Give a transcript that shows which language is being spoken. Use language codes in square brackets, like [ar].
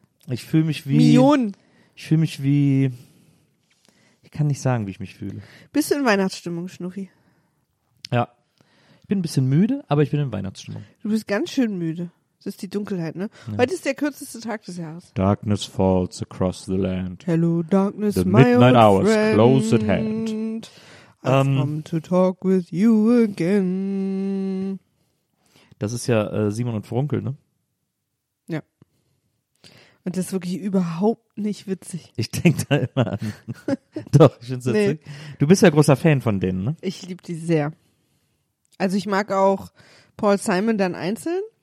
[de] Ich fühle mich wie. Millionen. Ich fühle mich wie. Ich kann nicht sagen, wie ich mich fühle. Bist du in Weihnachtsstimmung, Schnuffi? Ja. Ich bin ein bisschen müde, aber ich bin in Weihnachtsstimmung. Du bist ganz schön müde. Das ist die Dunkelheit, ne? Ja. Heute ist der kürzeste Tag des Jahres. [en] Darkness falls across the land. Hello, darkness, the my old friend. The midnight hours close at hand. I've come to talk with you again. [de] Das ist ja Simon und Frunkel, ne? Ja. Und das ist wirklich überhaupt nicht witzig. Ich denke da immer an. Doch, ich finde es witzig. Nee. Du bist ja großer Fan von denen, ne? Ich liebe die sehr. Also ich mag auch Paul Simon dann einzeln,